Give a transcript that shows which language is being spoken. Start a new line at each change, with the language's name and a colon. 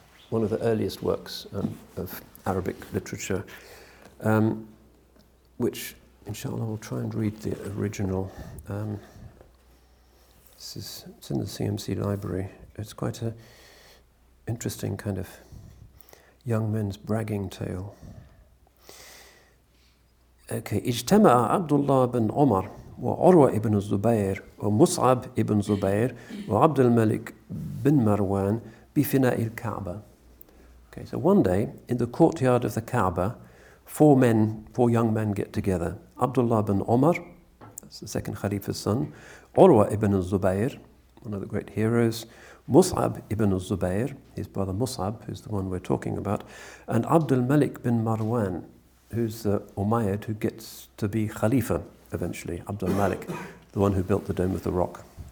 English: one of the earliest works of Arabic literature, which, inshallah, we'll try and read the original. It's in the CMC library. It's quite an interesting kind of young men's bragging tale.
Arabic: Okay, اجتمع عبد الله بن عمر وعروة ابن الزبير ومصعب ابن زبير وعبد الملك بن مروان بفناء الكعبة.
English: Okay, so one day in the courtyard of the Kaaba, four young men get together. Abdullah bin Umar, that's the second Khalifa's son, Urwa ibn al-Zubayr, one of the great heroes, Mus'ab ibn al-Zubayr, his brother Mus'ab, who's the one we're talking about, and Abdul Malik bin Marwan, who's the Umayyad who gets to be Khalifa eventually, Abdul Malik, the one who built the Dome of the Rock.